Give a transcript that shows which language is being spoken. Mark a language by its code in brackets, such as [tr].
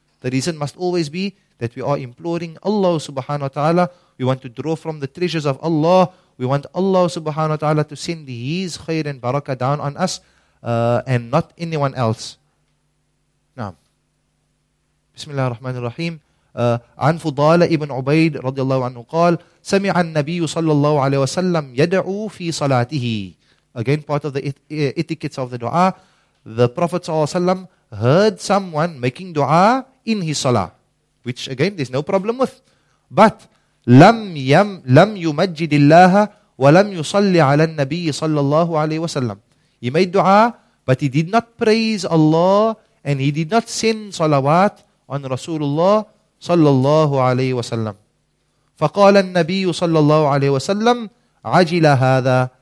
[en] The reason must always be that we are imploring Allah subhanahu wa ta'ala. We want to draw from the treasures of Allah. We want Allah subhanahu wa ta'ala to send His khair and barakah down on us and not anyone else. [ar] Naam. Bismillah ar-Rahman ar-Rahim. عن فضالة ابن عبيد رضي الله عنه قال سمع النبي صلى الله عليه وسلم يدعو في صلاته. [en] Again, part of the etiquettes of the dua. The Prophet صلى الله عليه وسلم heard someone making dua in his salah, which again there's no problem with. [ar] But لم يمجد الله ولم يصلي على النبي صلى الله عليه وسلم. [en] He made dua, but he did not praise Allah and he did not send salawat on Rasulullah صلى الله عليه وسلم. [ar] فقال النبي صلى الله عليه وسلم عجل هذا.